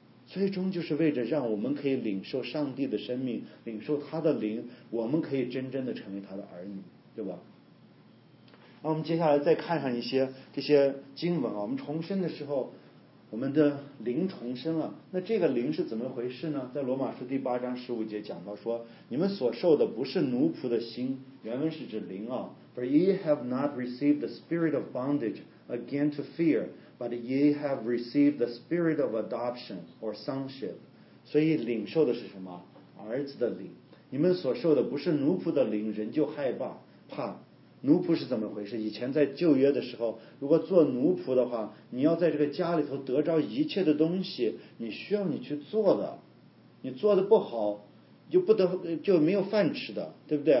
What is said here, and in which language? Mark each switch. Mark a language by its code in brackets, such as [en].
[zh] 最终就是为着让我们可以领受上帝的生命，领受他的灵，我们可以真正的成为他的儿女，对吧？那我们接下来再看上一些这些经文啊，我们重生的时候我们的灵重生了，那这个灵是怎么回事呢？在罗马书8章15节讲到说，你们所受的不是奴仆的心，原文是指灵啊。 [en] For ye have not received the spirit of bondage again to fear, but ye have received the spirit of adoption or sonship. [zh] 所以领受的是什么？儿子的灵。你们所受的不是奴仆的灵，仍旧害怕，怕。奴仆是怎么回事？以前在旧约的时候，如果做奴仆的话，你要在这个家里头得着一切的东西，你需要你去做的，你做的不好就不得就没有饭吃的，对不对？